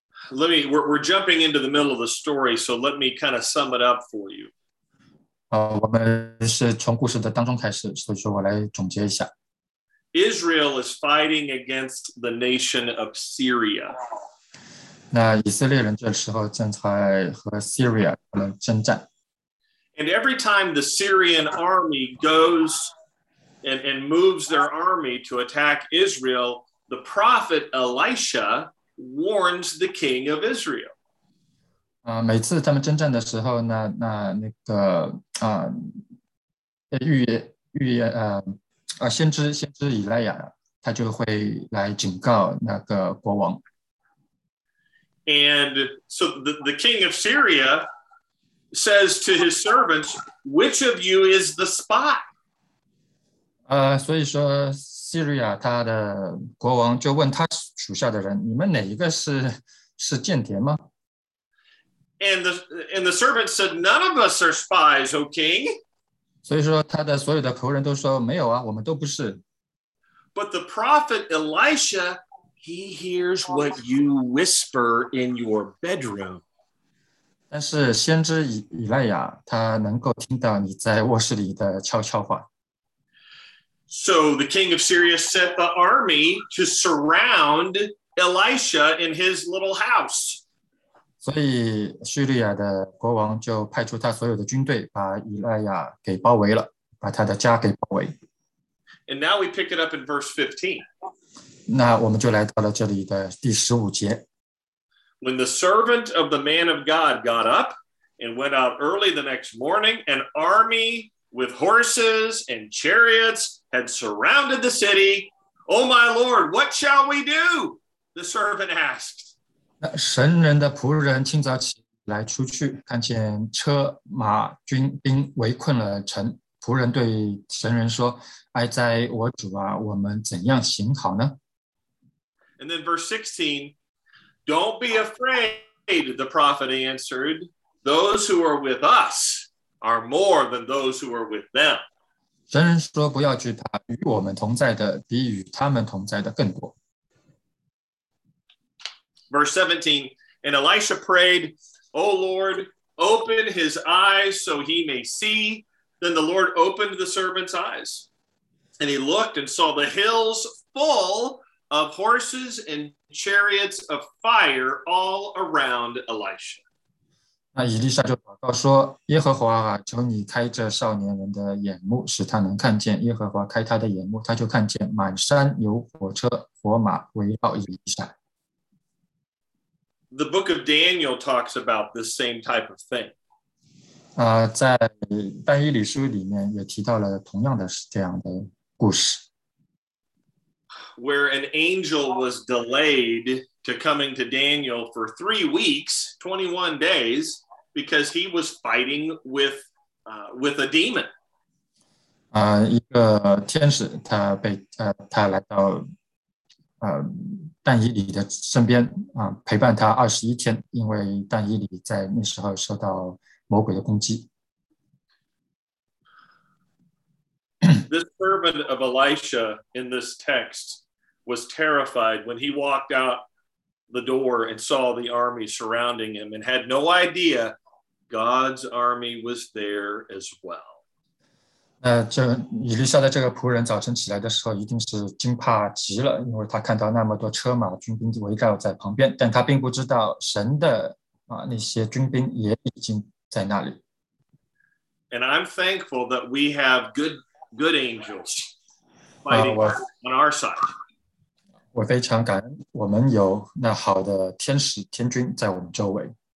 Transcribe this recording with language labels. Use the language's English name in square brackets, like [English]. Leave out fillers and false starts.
[English] let me, we're jumping into the middle of the story, so let me kind of sum it up for you. [Chinese] 我们是从故事的当中开始，所以说我来总结一下。 [English] Israel is fighting against the nation of Syria. [Chinese] 那以色列人这时候正在和 Syria 争战。 [English] And every time the Syrian army goes and moves their army to attack Israel, the prophet Elisha warns the king of Israel. [Chinese] 每次他们征战的时候呢，那那个啊，预言先知以赖亚，他就会来警告那个国王。 [English] And so the king of Syria says to his servants, "Which of you is the spy?" [Chinese] 所以说叙利亚他的国王就问他属下的人，你们哪一个是间谍吗？ [English] And the servant said, "None of us are spies, O king." [Chinese] 所以说他的所有的仆人都说没有啊，我们都不是。 [English] But the prophet Elisha, he hears what you whisper in your bedroom. [Chinese] 但是先知以赖亚他能够听到你在卧室里的悄悄话。 [English] So the king of Syria set the army to surround Elisha in his little house. [Chinese] 所以叙利亚的国王就派出他所有的军队把以赖亚给包围了，把他的家给包围。 [English] And now we pick it up in verse 15. [Chinese] 那我们就来到了这里的第十五节。 [English] When the servant of the man of God got up and went out early the next morning, an army with horses and chariots had surrounded the city. Oh my Lord, what shall we do? The servant asked. [Chinese] 那神人的仆人清早起来出去，看见车马军兵围困了城。仆人对神人说，哀哉我主啊，我们怎样行好呢？ [English] And then verse 16, "Don't be afraid," the prophet answered, "those who are with us are more than those who are with them." [Chinese] 神人说不要惧怕，与我们同在的比与他们同在的更多。 [English] Verse 17, "And Elisha prayed, O Lord, open his eyes so he may see. Then the Lord opened the servant's eyes. And he looked and saw the hills full of horses and chariots of fire all around Elisha." [Chinese] 那以利沙就祷告说，耶和华啊，求你开这少年人的眼目，使他能看见。耶和华开他的眼目，他就看见满山有火车火马围绕以利沙。 [English] The book of Daniel talks about this same type of thing. [Chinese] 在但以理书里面也提到了同样的这样的故事。 [English] Where an angel was delayed to coming to Daniel for 3 weeks, 21 days, because he was fighting with a demon. [Chinese] 一个天使他被他来到但以理的身边陪伴他21天，因为但以理在那时候受到魔鬼的攻击。 [English] This servant of Elisha in this text was terrified when he walked out the door and saw the army surrounding him and had no idea God's army was there as well. [Chinese] 以利沙的这个仆人早晨起来的时候一定是惊怕极了，因为他看到那么多车马军兵围绕在旁边，但他并不知道神的那些军兵也已经在那里。 [English] And I'm thankful that we have good angels fighting on our side. [Chinese] 我非常感恩我们有那好的天使天君在我们周围。